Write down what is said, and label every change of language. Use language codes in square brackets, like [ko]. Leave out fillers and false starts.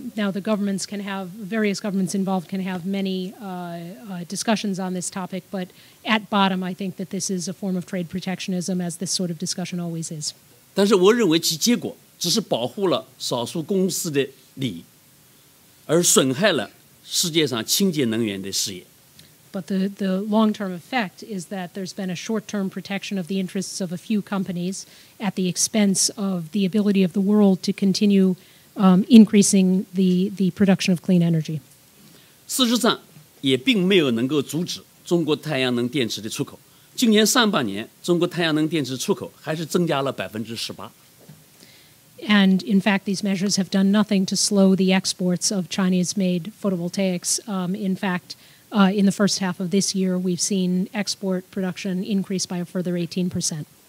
[en] the governments can have various governments involved can have many discussions on this topic, but at bottom, I think that this is a form of trade protectionism, as this sort of discussion always is. [zh] 但是我认为其结果只是保护了少数公司的利益，而损害了世界上清洁能源的事业。 [en] But the long-term effect is that there's been a short-term protection of the interests of a few companies at the expense of the ability of the world to continue increasing the production of clean energy. [zh] 事实上，也并没有能够阻止中国太阳能电池的出口。今年上半年，中国太阳能电池出口还是增加了18%。 [en] And in fact, these measures have done nothing to slow the exports of Chinese-made photovoltaics. In fact, in the first half of this year, we've seen export production increase by a further 18%.